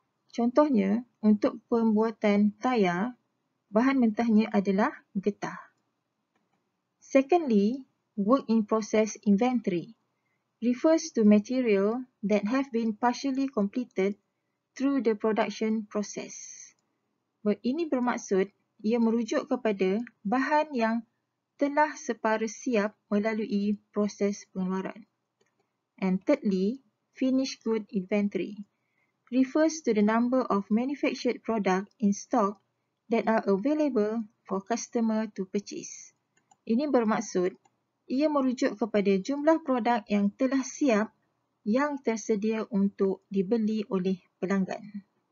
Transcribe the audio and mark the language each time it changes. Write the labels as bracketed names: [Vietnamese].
[Malay] Contohnya, untuk pembuatan tayar, bahan mentahnya adalah getah. [English] Secondly, work in process inventory refers to material that have been partially completed through the production process. [Malay] Ini bermaksud ia merujuk kepada bahan yang telah separa siap melalui proses pengeluaran. [English] And thirdly, finished good inventory refers to the number of manufactured product in stock that are available for customer to purchase. [Malay] Ini bermaksud ia merujuk kepada jumlah produk yang telah siap yang tersedia untuk dibeli oleh pelanggan.